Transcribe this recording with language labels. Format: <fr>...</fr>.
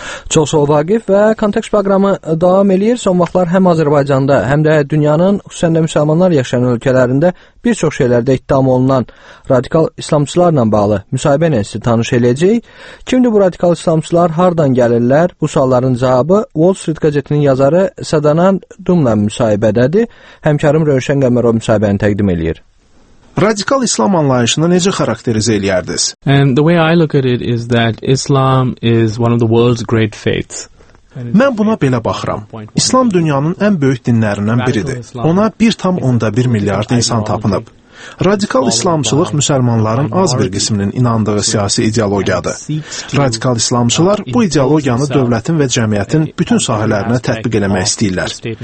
<az>Çox sağ ol Vaqif və kontekst proqramı davam edir. Son vaxtlar həm Azərbaycanda, həm də dünyanın xüsusən də müsəlmanlar yaşayan ölkələrində bir çox şeylərdə ittiham olunan radikal islamçılarla bağlı müsahibə ilə sizi tanış edəcəyik. Kimdir bu radikal islamçılar, hardan gəlirlər? Bu sualların cavabı Wall Street qəzetinin yazarı Sədanan Dumla müsahibədədir. Həmkarım Rövşən Qəmərov müsahibəni təqdim edir. Radikal İslam anlayışını necə xarakterizə eləyərdiniz?</az> <en>And the way I look at it is that Islam is one of the world's great faiths.</en> <az>Mən buna belə baxıram. İslam dünyanın ən böyük dinlərindən biridir. Ona 1,1 milyard insan tapınıb. Radikal İslamçılıq müsəlmanların az bir qisminin inandığı siyasi ideologiyadır. Radikal İslamçılar bu ideologiyanı dövlətin və cəmiyyətin bütün sahələrinə tətbiq eləmək istəyirlər.</az>